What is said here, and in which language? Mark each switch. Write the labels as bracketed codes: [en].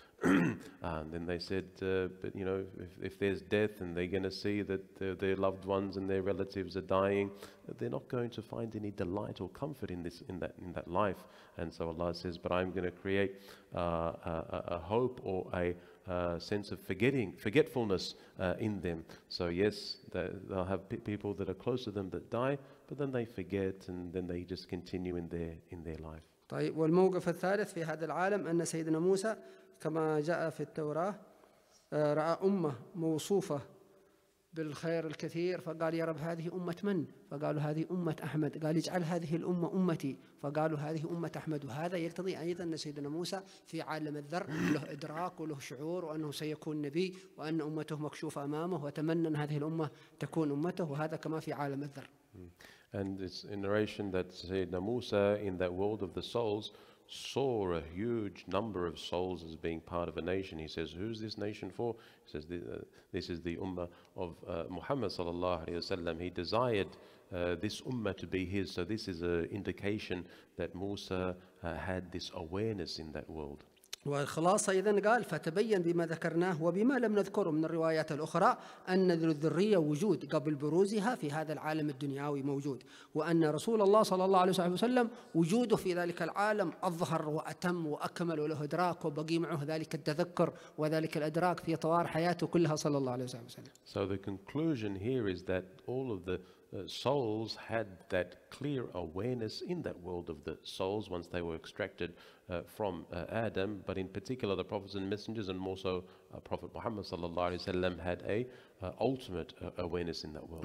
[en] And then they said, but you know, if there's death and they're going to see that their loved ones and their relatives are dying, they're not going to find any delight or comfort in that life. And so Allah says, but I'm going to create a hope or a sense of forgetfulness in them. So yes, they'll have people that are close to them that die, but then they forget and then they just continue in their life. [ar] طيب والموقف الثالث في هذا العالم أن سيدنا موسى كما جاء في التوراة رأى أمة موصوفة بالخير الكثير، فقال يا رب هذه أمة من؟ فقالوا هذه أمة أحمد. قال اجعل هذه الأمة أمتي، فقالوا هذه أمة أحمد. وهذا يقتضي أيضا أن سيدنا موسى في عالم الذر له إدراك وله شعور وأنه سيكون نبي وأن أمته مكشوفة أمامه، وتمنى أن هذه الأمة تكون أمته، وهذا كما في عالم الذر. [en] And it's in narration that Sayyidina Musa in that world of the souls saw a huge number of souls as being part of a nation. He says, who's this nation for? He says, this is the ummah of Muhammad sallallahu alayhi wa sallam. He desired this ummah to be his. So this is an indication that Musa had this awareness in that world. [ar] والخلاصة إذن قال فتبين بما ذكرناه وبما لم نذكره من الروايات الأخرى أن الذرية وجود قبل بروزها في هذا العالم الدنياوي موجود، وأن رسول الله صلى الله عليه وسلم وجوده في ذلك العالم أظهر وأتم وأكمل وله إدراك وبقي معه ذلك التذكر وذلك الإدراك في طوار حياته كلها صلى الله عليه وسلم. [en] So the conclusion here is that all of the souls had that clear awareness in that world of the souls once they were extracted from Adam, but in particular the prophets and messengers and more so Prophet Muhammad sallallahu alaihi wasallam had a ultimate awareness in that world.